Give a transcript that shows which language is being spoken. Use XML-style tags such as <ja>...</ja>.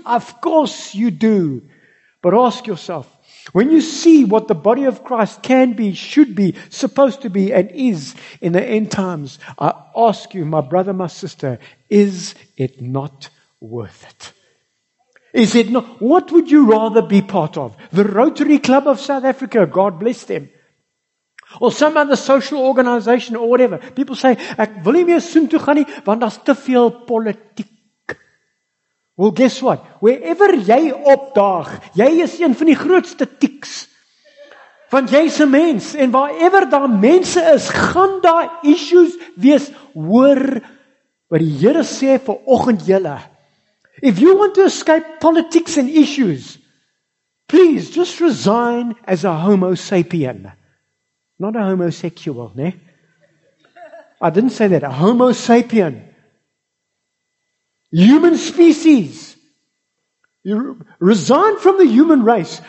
<en>Of course you do. But ask yourself, when you see what the body of Christ can be, should be, supposed to be, and is in the end times, I ask you, my brother, my sister, is it not worth it? Is it not? What would you rather be part of? The Rotary Club of South Africa, God bless them. Or some other social organization or whatever. People say,</en> <af>ek wil nie meer soontoe gaan nie, want daar's te veel politiek.</af> <en>Well, guess what?</en> <af>Wherever jy opdaag, jy is een van die grootste tiks. Want jy's 'n mens. En waarewer daar mense is, gaan daar issues wees. Hoor wat die Here sê vir oggend julle.</af> <en>If you want to escape politics and issues, please just resign as a homo sapien. Not a homosexual, né? I didn't say that. A homo sapien. Human species. You resign from the human race.</en>